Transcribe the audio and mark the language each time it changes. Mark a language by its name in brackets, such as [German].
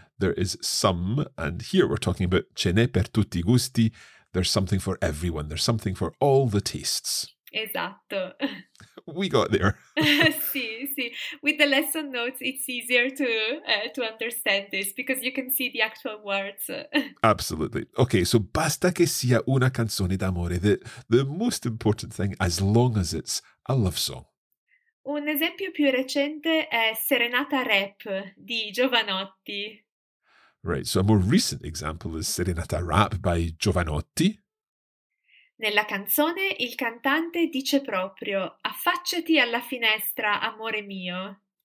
[English] There is some. And here we're talking about [Italian] c'è ne per tutti i gusti. [English] There's something for everyone. There's something for all the tastes. [Italian] Esatto. [English] We got there. [Italian] Sì, sì. [English] With the lesson notes, it's easier to understand this because you can see the actual words. Absolutely. Okay, so [Italian] basta che sia una canzone d'amore. [English] The most important thing, as long as it's a love song. [Italian] Un esempio più recente è Serenata Rap di Jovanotti. [English] Right, so a more recent example is Serenata Rap by Jovanotti. [Italian] Nella canzone il cantante dice proprio affacciati alla finestra, amore mio.